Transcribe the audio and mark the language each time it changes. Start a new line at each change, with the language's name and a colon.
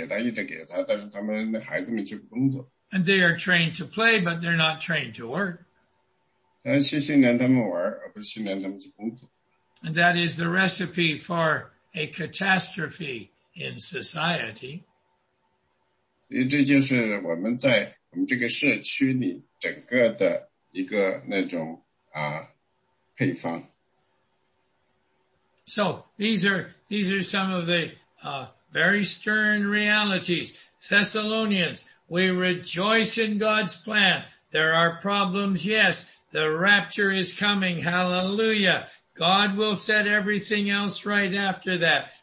Chinese: 你在有些家庭的那些孩子们呢，父母呢，就一直给他，但是他们孩子们去工作。
English: And they are trained to play, but they're not trained to work.
Chinese: 他去训练他们玩，而不是训练他们去工作。
English: And that is the recipe for a catastrophe in society.
Chinese: 所以这就是我们在我们这个社区里整个的 一个那种配方。
English: So these are some of the very stern realities. Thessalonians, we rejoice in God's plan. There are problems, yes. The rapture is coming. Hallelujah. God will set everything else right after that.